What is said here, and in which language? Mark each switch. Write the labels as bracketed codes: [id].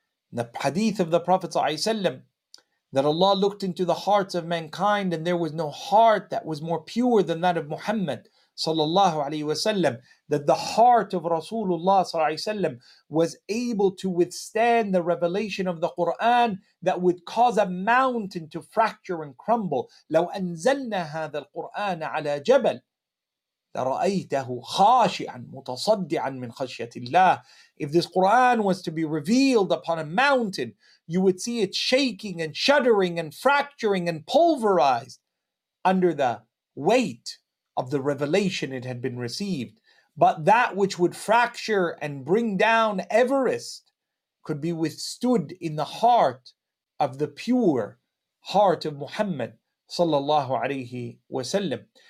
[en] In the hadith of the Prophet ﷺ, that Allah looked into the hearts of mankind and there was no heart that was more pure than that of Muhammad sallallahu alayhi wasallam, that the heart of Rasulullah sallallahu alayhi wasallam was able to withstand the revelation of the Quran that would cause a mountain to fracture and crumble. [ar] لو أنزلنا هذا القرآن على جبل لرأيته خاشعا متصدعا من خشية الله. [en] If this Quran was to be revealed upon a mountain, you would see it shaking and shuddering and fracturing and pulverized under the weight of the revelation it had been received. But that which would fracture and bring down Everest could be withstood in the heart of the pure heart of Muhammad sallallahu alayhi wasallam.